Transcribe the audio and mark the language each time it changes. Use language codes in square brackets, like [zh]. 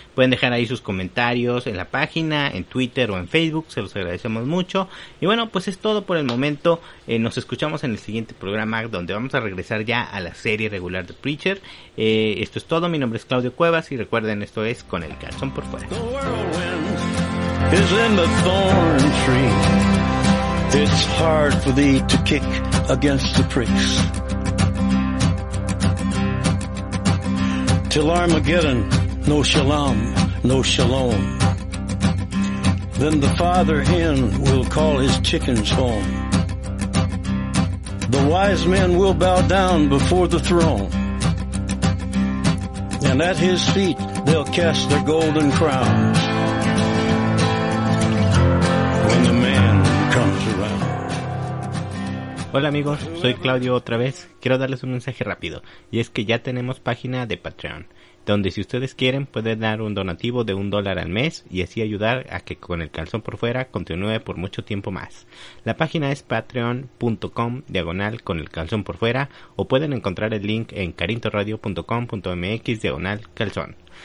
[es] Pueden dejar ahí sus comentarios en la página, en Twitter o en Facebook. Se los agradecemos mucho. Y bueno, pues es todo por el momento. Nos escuchamos en el siguiente programa donde vamos a regresar ya a la serie regular de Preacher. Esto es todo. Mi nombre es Claudio Cuevas y recuerden, esto es Con el Calzón por Fuera. [en] The whirlwind is in the thorn tree. It's hard for thee to kick against the pricks. Till Armageddon, no shalom, no shalom. Then the father hen will call his chickens home. The wise men will bow down before the throne. And at his feet they'll cast their golden crowns. When the man comes around. [es] Hola amigos, soy Claudio otra vez. Quiero darles un mensaje rápido, y es que ya tenemos página de Patreon, donde si ustedes quieren pueden dar un donativo de $1 al mes y así ayudar a que Con el Calzón por Fuera continúe por mucho tiempo más. La página es patreon.com/conelcalzonporfuera o pueden encontrar el link en carintoradio.com.mx/calzón.